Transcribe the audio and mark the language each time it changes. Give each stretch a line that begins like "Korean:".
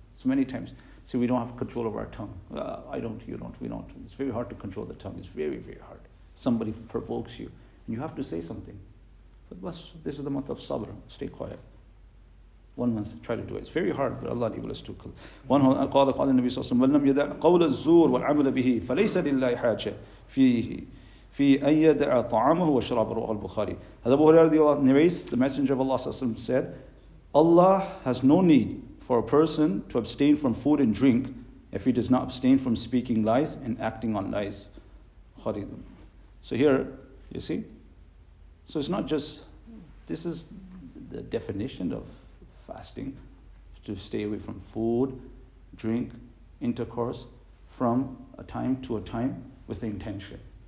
English: So many times, see, we don't have control of our tongue. We don't. It's very hard to control the tongue. It's very, very hard. Somebody provokes you, and you have to say something. But this is the month of sabr. Stay quiet. 1 month, try to do it. It's very hard, but Allah enables us to.
Arabic: One who قال قال النبي صلى الله عليه وسلم يدع قول الزور والعمل به فليس لله حاجة فيه في أن يدع طعامه وشرابه. رواه البخاري. هذا أبو هريرة رضي الله عنه.
English: The Messenger of Allah
Arabic: صلى الله عليه وسلم
English: said, Allah has no need for a person to abstain from food and drink if he does not abstain from speaking lies and acting on lies. So here, you see? So it's not just, this is the definition of fasting, to stay away from food, drink, intercourse, from a time to a time with the intention.